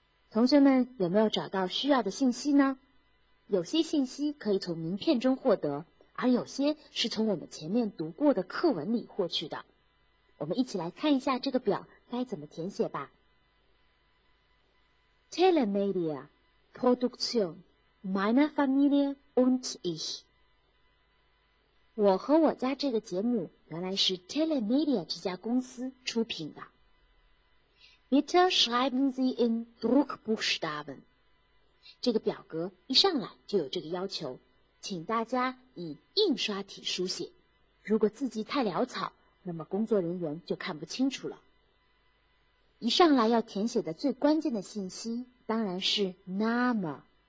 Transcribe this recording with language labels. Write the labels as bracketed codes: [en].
[zh] 同学们有没有找到需要的信息呢？有些信息可以从名片中获得，而有些是从我们前面读过的课文里获取的。我们一起来看一下这个表该怎么填写吧。 [de] Telemedia, Produktion, meine Familie und ich. [zh] 我和我家这个节目原来是 Telemedia 这家公司出品的。 [de] Bitte schreiben Sie in Druckbuchstaben. [zh] 这个表格一上来就有这个要求，请大家以印刷体书写。如果字迹太潦草，那么工作人员就看不清楚了。一上来要填写的最关键的信息当然是 Name,